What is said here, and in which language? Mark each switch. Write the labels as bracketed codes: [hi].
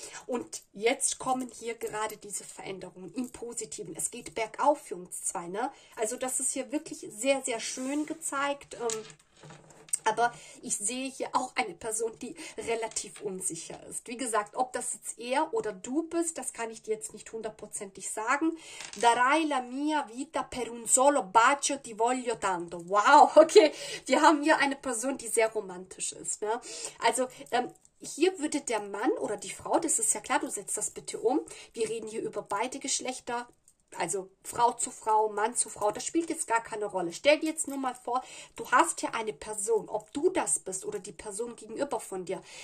[de] Und jetzt kommen hier gerade diese Veränderungen im Positiven. Es geht bergauf für uns zwei, ne? Also das ist hier wirklich sehr, sehr schön gezeigt. Aber ich sehe hier auch eine Person, die relativ unsicher ist. Wie gesagt, ob das jetzt er oder du bist, das kann ich dir jetzt nicht hundertprozentig sagen. [it] Darai la mia vita per un solo bacio, ti voglio tanto. [de] Wow, okay. Wir haben hier eine Person, die sehr romantisch ist, ne? Also, hier würde der Mann oder die Frau, das ist ja klar, du setzt das bitte um. Wir reden hier über beide Geschlechter. Also Frau zu Frau, Mann zu Frau, das spielt jetzt gar keine Rolle. Stell dir jetzt nur mal vor, du hast hier eine Person, ob du das bist oder die Person gegenüber von dir.